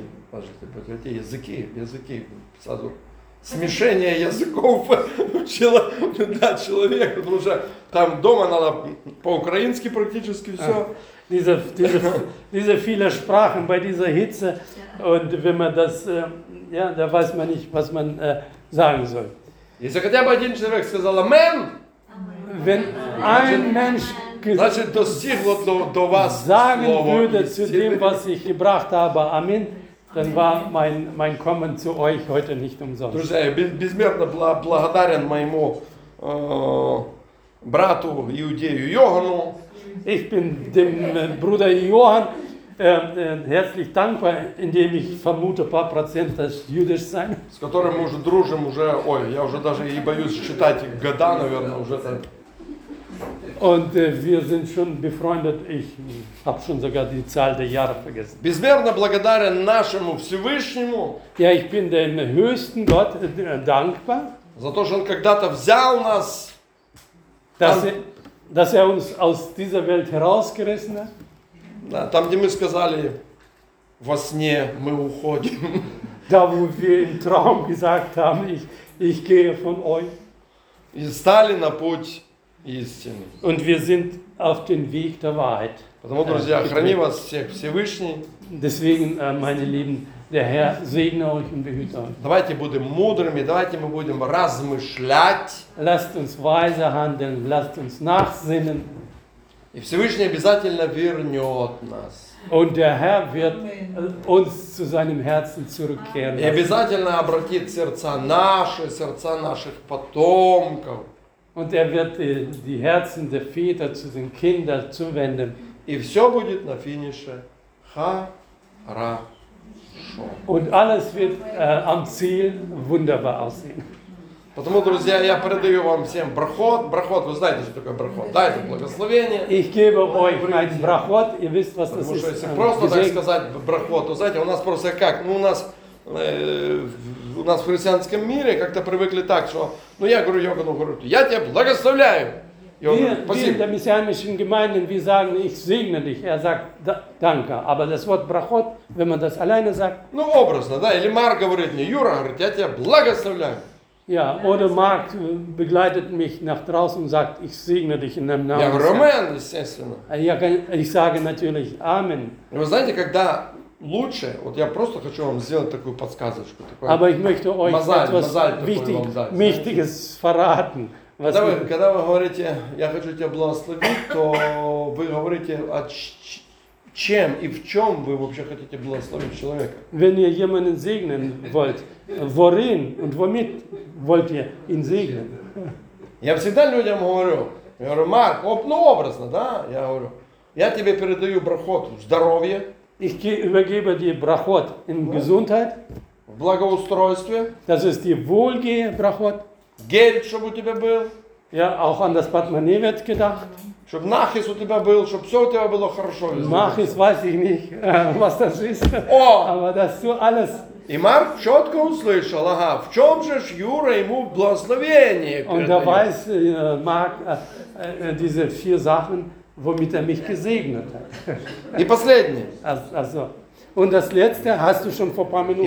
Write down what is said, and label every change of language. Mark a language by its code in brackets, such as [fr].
[ru] Пожалуйста, прекрати, языки, сразу смешение языков человека, потому что там дома надо по-украински практически все. [de] Diese viele Sprachen bei dieser Hitze, und wenn man das, ja, da weiß man nicht, was man sagen soll. [ru] Если хотя бы один человек сказал «Амен», [de] wenn ein Mensch sagen würde zu dem, was ich gebracht habe, Amen, dann war mein Kommen zu euch heute nicht umsonst. [ru] Друзья, я безмерно благодарен моему брату иудею Йохану. [de] Ich bin dem Bruder Johann herzlich dankbar, indem ich vermute, ein paar Prozent das jüdisch sein. [ru] С которым мы уже дружим уже, ой, я уже даже и боюсь считать года, наверное, уже так. [de] Und wir sind schon befreundet. Ich habe schon sogar die Zahl der Jahre vergessen. [ru] Безмерно благодарен нашему Всевышнему. [de] Ja, ich bin dem höchsten Gott dankbar. [ru] За то, что он когда-то взял нас. [de] Dass er uns aus dieser Welt herausgerissen hat. [ru] Да, там, где мы сказали, во сне мы уходим. [de] Da, wo wir im Traum gesagt haben, ich gehe von euch. [ru] И стали на путь. Истины. [de] Und wir sind auf dem Weg der Wahrheit. [ru] Потому, друзья, храни вас всех Всевышний. [de] Deswegen, meine Lieben, der Herr segne euch und behüte euch. [ru] Давайте будем мудрыми, давайте мы будем размышлять. [de] Lasst uns weise handeln, lasst uns nachsinnen. [ru] И Всевышний обязательно вернет нас. [de] Und der Herr wird uns zu seinem Herzen zurückkehren. [ru] И обязательно обратит сердца наших потомков. [de] Und er wird die Herzen der Väter zu den Kindern zuwenden. [ru] И все будет на финише хорошо. [de] Und alles wird am Ziel wunderbar aussehen. [ru] Потому, друзья, я передаю вам всем брахот. Брахот, вы знаете, что такое брахот? Да, это благословение. [de] Ich gebe euch einen брахот, ihr wisst, was das ist. [ru] Потому что если просто так сказать брахот, то знаете, у нас просто как? Ну, у нас в христианском мире как-то привыкли так, что, ну я говорю Йогану, говорю, я тебя благословляю. [de] Wir in der messianischen Gemeinde, wir sagen, ich segne dich. Er sagt, danke. Aber das Wort Brachot, wenn man das alleine sagt. [ru] Ну, образно, да. Или Марк говорит мне, Юра, говорит, я тебя благословляю. [de] Ja, oder Marc begleitet mich nach draußen und sagt, ich segne dich in deinem Namen. [ru] Я говорю, Амен, естественно. [de] Ich sage natürlich, Amen. [ru] Вы знаете, когда... Лучше, вот я просто хочу вам сделать такую подсказочку, такой Мозаль, когда вы говорите, я хочу тебя благословить, то вы говорите, о чем и в чем вы вообще хотите благословить человека. [de] Wenn ihr jemanden segnen wollt, worin und womit wollt ihr ihn segnen? [ru] Я всегда людям говорю, я говорю, Марк, ну образно, да, я говорю, я тебе передаю брахот, здоровье. [de] Ich übergebe dir Brachot in Gesundheit. [ru] Благоустройстве. [de] Das ist die Wohlgehe, Brachot. [ru] Geld, чтобы у тебя был. [de] Я auch an das Portemonnaie wird gedacht. [ru] Чтоб нахис у тебя был, чтоб все у тебя было хорошо. [de] Нахис, weiß ich nicht, was das ist. Aber das so alles. [ru] И Марк четко услышал, ага, в чем же ж Юра ему благословение передает. [de] Und er weiß, Marc, diese vier Sachen, womit mich gesegnet hat. [ru] И последнее. [de] Also, und das letzte hast du schon vor paar Minuten.